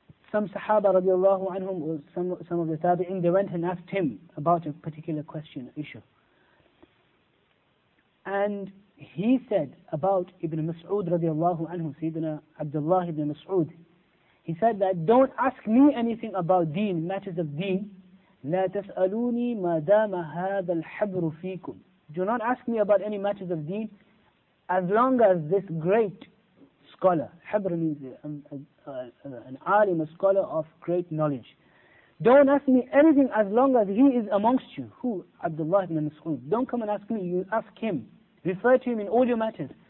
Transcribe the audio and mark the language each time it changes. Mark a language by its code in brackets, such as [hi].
[en] Some Sahaba radiallahu anhum, or some of the Tabi'in, they went and asked him about a particular question, issue. And he said about Ibn Mas'ud radiallahu anhu, Sayyidina Abdullah ibn Mas'ud, he said that, don't ask me anything about deen, matters of deen. [ar] لا تسألوني ما دام هذا الحبر فيكم. [en] Do not ask me about any matters of deen as long as this great scholar, [ar] حبر [en] means an alim, a scholar of great knowledge. Don't ask me anything as long as he is amongst you. Who? Abdullah ibn Mas'ud. Don't come and ask me, you ask him. Refer to him in all your matters.